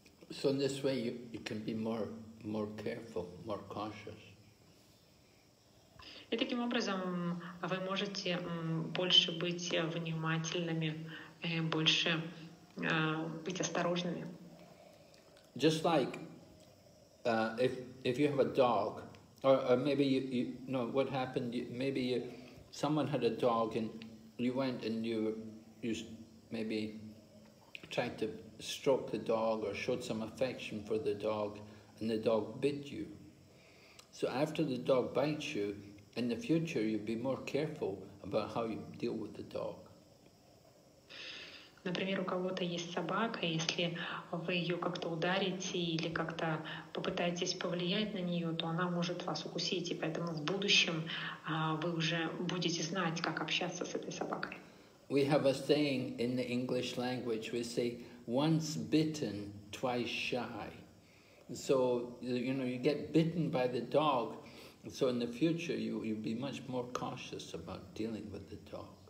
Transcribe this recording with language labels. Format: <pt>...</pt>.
<en>So in this way you can be more careful, more cautious.</en> <ru>И таким образом вы можете больше быть внимательными, больше быть осторожными.</ru> <en>Just like if you have a dog, or maybe you know what happened? Someone had a dog and you went and you maybe tried to stroke the dog or showed some affection for the dog, and the dog bit you. So after the dog bites you, in the future, you'd be more careful about how you deal with the dog.</en> <ru>Например, у кого-то есть собака, если вы ее как-то ударите или как-то попытаетесь повлиять на нее, то она может вас укусить, и поэтому в будущем вы уже будете знать, как общаться с этой собакой.</ru> <en>We have a saying in the English language. We say, "Once bitten, twice shy." So you know, you get bitten by the dog. So in the future, you'll be much more cautious about dealing with the dog.</en>